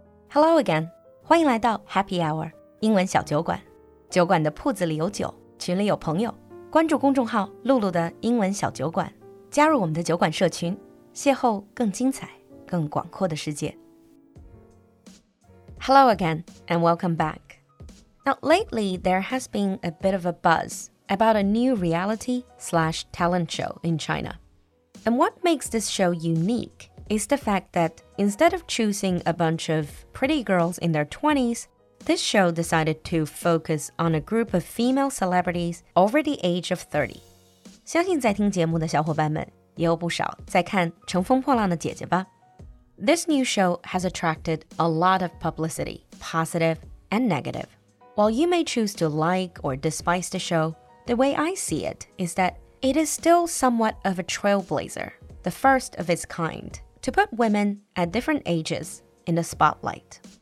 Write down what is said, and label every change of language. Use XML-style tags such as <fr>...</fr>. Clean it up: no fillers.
<en>Hello again,</en> <zh>欢迎来到 Happy Hour, 英文小酒馆。酒馆的铺子里有酒，群里有朋友。关注公众号露露的英文小酒馆，加入我们的酒馆社群，邂逅更精彩、更广阔的世界。</zh> <en>Hello again, and welcome back. Now, lately, there has been a bit of a buzz about a new reality / talent show in China. And what makes this show unique? Is the fact that instead of choosing a bunch of pretty girls in their 20s, this show decided to focus on a group of female celebrities over the age of 30.</en> <zh>相信在听节目的小伙伴们也有不少在看《乘风破浪的姐姐》吧。</zh> <en>This new show has attracted a lot of publicity, positive and negative. While you may choose to like or despise the show, the way I see it is that it is still somewhat of a trailblazer. The first of its kind, to put women at different ages in the spotlight.</en>